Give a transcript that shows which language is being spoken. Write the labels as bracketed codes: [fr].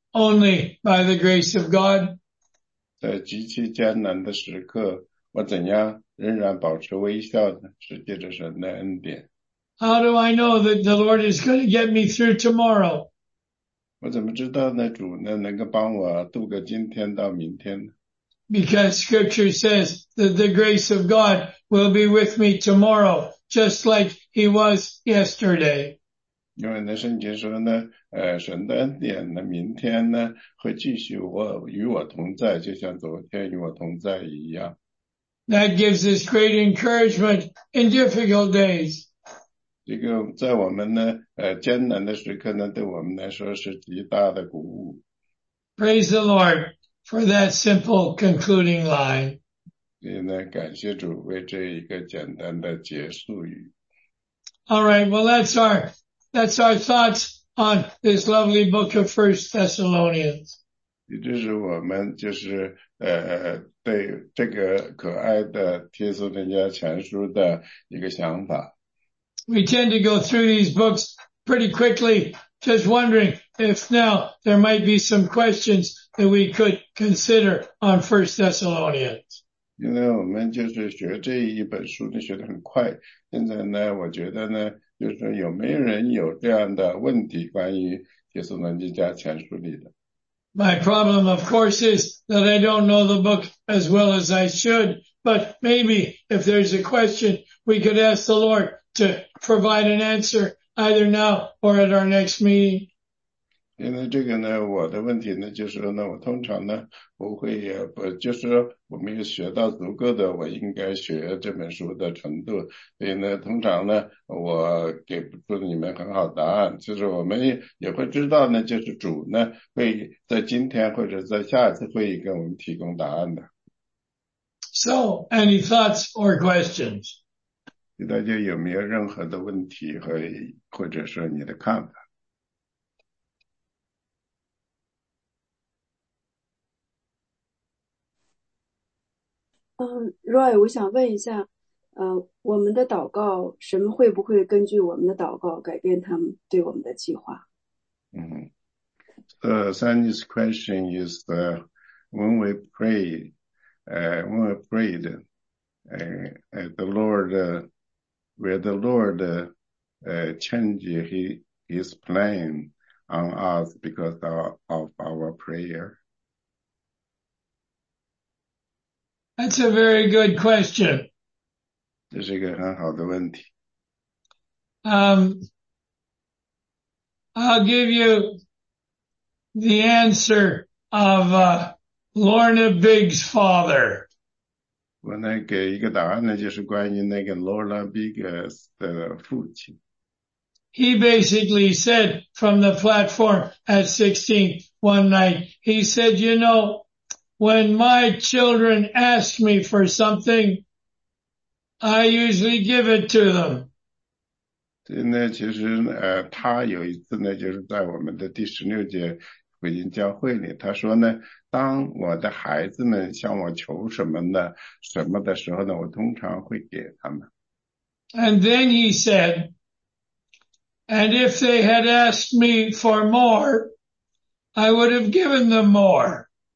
[en] Only by the grace of God. [zh] 在极其艰难的时刻我怎样仍然保持微笑呢是借着神的恩典。 [en] How do I know that the Lord is going to get me through tomorrow? [zh] 我怎么知道呢主呢能够帮我度个今天到明天呢 [en] Because scripture says that the grace of God will be with me tomorrow, just like he was yesterday. [zh] 因为呢圣经说呢神的恩典呢明天呢会继续与我同在就像昨天与我同在一样。 [en] That gives us great encouragement in difficult days. [zh] 这个在我们呢艰难的时刻呢对我们来说是极大的鼓舞。 [en] Praise the Lord for that simple concluding line. [zh] 所以呢感谢主为这一个简单的结束语。 [en] Alright, well that's our thoughts on this lovely book of First Thessalonians. [zh] 也就是我们就是对这个可爱的帖撒罗尼迦前书的一个想法。 [en] We tend to go through these books pretty quickly, just wondering if now there might be some questions that we could consider on 1 Thessalonians. [zh] 因为我们就是学这一本书呢学得很快现在呢我觉得呢就是有没有人有这样的问题关于帖撒罗尼迦前书里的。 [en] My problem, of course, is that I don't know the book as well as I should, but maybe if there's a question, we could ask the Lord. To provide an answer either now or at our next meeting. [zh] 因为这个呢我的问题呢就是说呢我通常呢不会不就是我没有学到足够的我应该学这本书的程度。所以呢通常呢我给不出你们很好答案就是我们也会知道呢就是主呢会在今天或者在下次会议给我们提供答案的。 [en] So, any thoughts or questions? [zh] 大家有没有任何的问题和或者说你的看法？ Roy， 我想问一下，我们的祷告，神会不会根据我们的祷告改变他们对我们的计划？ [en] The Sandy's question is the when we pray, when we prayed, the Lord. Will the Lord change his plan on us because of our prayer? That's a very good question. [zh] 这是一个很好的问题。 [en] I'll give you the answer of Lorna Biggs' father. [zh] 我呢给一个答案呢就是关于那个 Lorna Biggs 的父亲。 [en] He basically said from the platform at 16 one night, he said, you know, when my children ask me for something, I usually give it to them. [zh] 对，那其实他有一次呢，就是在我们的第16节福音教会里，他说呢，当我的孩子们向我求什么的时候呢，我通常会给他们。 [en] And then he said, and if they had asked me for more, I would have given them more.